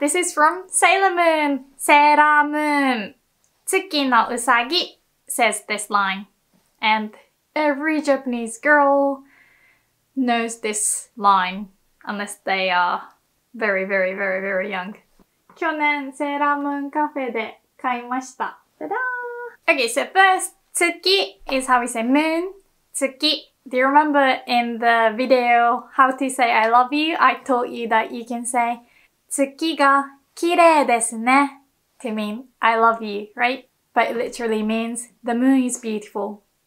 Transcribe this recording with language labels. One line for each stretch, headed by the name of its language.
English: This is from Sailor Moon. Sailor Moon. 月のうさぎ says this line. And every Japanese girl knows this line. Unless they are very, very, very, very young.
Japanese: 去年セーラームーンカフェで買いました。ただー!
English: Okay, so first, 月 is how we say moon. 月. Do you remember in the video how to say I love you? I taught you that you can say
Japanese: 月が綺麗ですね
English: to mean I love you, right? But it literally means the moon is beautiful.